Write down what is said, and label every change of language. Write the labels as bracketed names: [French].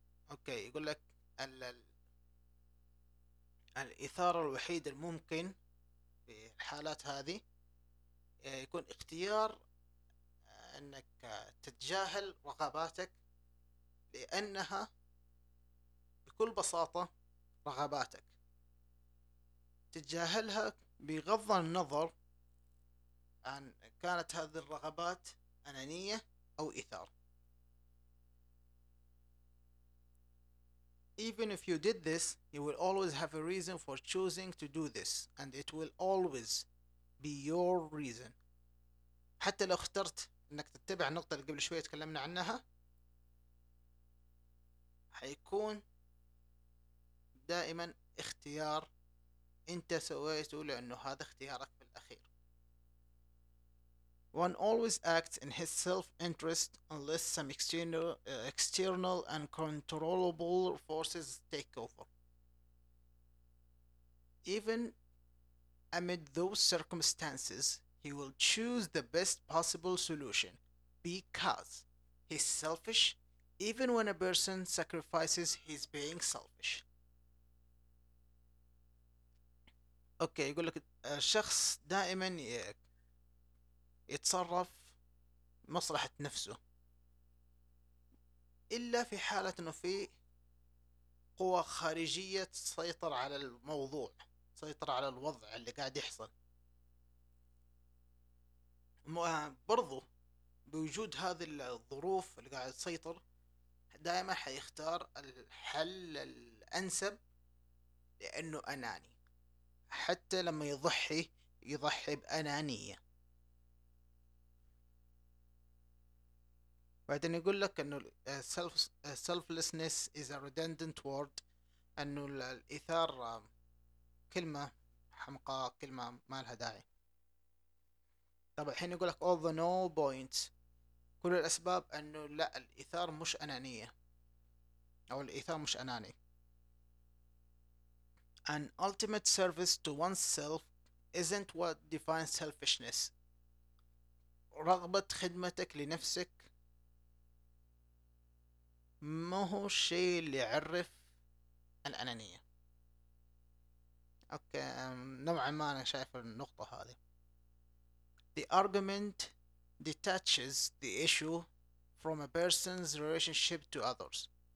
[Arabic] اوكي، يقول لك الإثارة الوحيدة الممكن في الحالات هذه يكون اختيار انك تتجاهل رغباتك، لانها بكل بساطة رغباتك، تتجاهلها بغض النظر عن كانت هذه الرغبات انانية او ايثار. [English] Even if you did this, you will always have a reason for choosing to do this, and it will always be your reason. [Arabic] حتى لو اخترت انك تتبع النقطة اللي قبل شوية تكلمنا عنها، حيكون دائما اختيار انت سويته، لانه هذا اختيارك في الاخير. [English] One always acts in his self-interest unless some external and controllable forces take over. Even amid those circumstances, he will choose the best possible solution because he's selfish. Even when a person sacrifices, he's being selfish. [Arabic] Okay, يقول لك الشخص دائما يتصرف مصلحة نفسه، إلا في حالة أنه في قوة خارجية تسيطر على الموضوع، تسيطر على الوضع اللي قاعد يحصل. برضو بوجود هذه الظروف اللي قاعد تسيطر، دائما حيختار الحل الأنسب لأنه أناني، حتى لما يضحي بأنانية. بعدين يقول لك أنه [English] selflessness is a redundant word، [Arabic] أنه الإيثار كلمة حمقاء، كلمة ما لها داعي. طب الحين يقول لك [English] all the no points، [Arabic] كل الأسباب، أنه لا، الإيثار مش أنانية، أو الإيثار مش أناني. [English] An ultimate service to oneself isn't what defines selfishness. [Arabic] رغبة خدمتك لنفسك ما هو الشيء اللي يعرف الأنانية. أوكي، نوعا ما أنا شايف النقطة هذه. [English] The argument detaches the issue from a person's relationship to others.